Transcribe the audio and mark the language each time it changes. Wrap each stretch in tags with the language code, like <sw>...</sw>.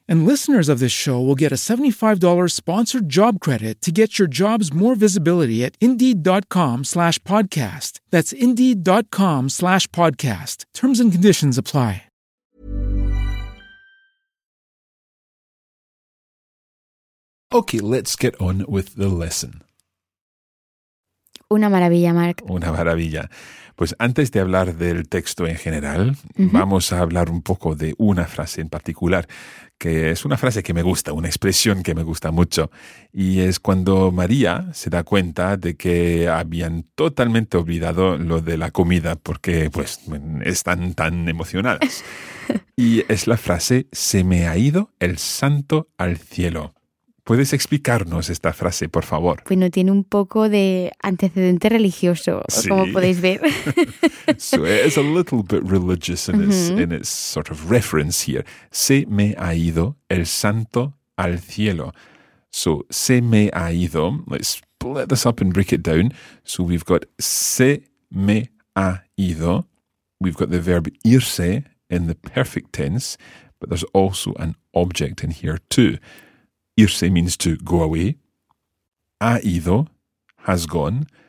<en>And listeners of this show will get a $75 sponsored job credit to get your jobs more visibility at Indeed.com/podcast. That's Indeed.com/podcast. Terms and conditions apply. Okay, let's get on with the lesson.</en> <es>Una maravilla, Mark. Una maravilla. Pues antes de hablar del texto en general, vamos a hablar un poco de una frase en particular, que es una frase que me gusta, una expresión que me gusta mucho. Y es cuando María se da cuenta de que habían totalmente olvidado lo de la comida porque pues están tan emocionadas. Y es la frase, se me ha ido el santo al cielo. ¿Puedes explicarnos esta frase, por favor? Bueno, tiene un poco de antecedente religioso, sí. Como podéis ver.</es> <en>So it is a little bit religious in its sort of reference here.</en> <es>Se me ha ido el santo al cielo. So se me ha ido.</es> <en>Let's split this up and break it down. So we've got</en> <es>se me ha ido.</es> <en>We've got the verb irse in the perfect tense, but there's also an object in here too. Irse means to go away.</en> <es>Ha ido,</es> <en>has gone.</en>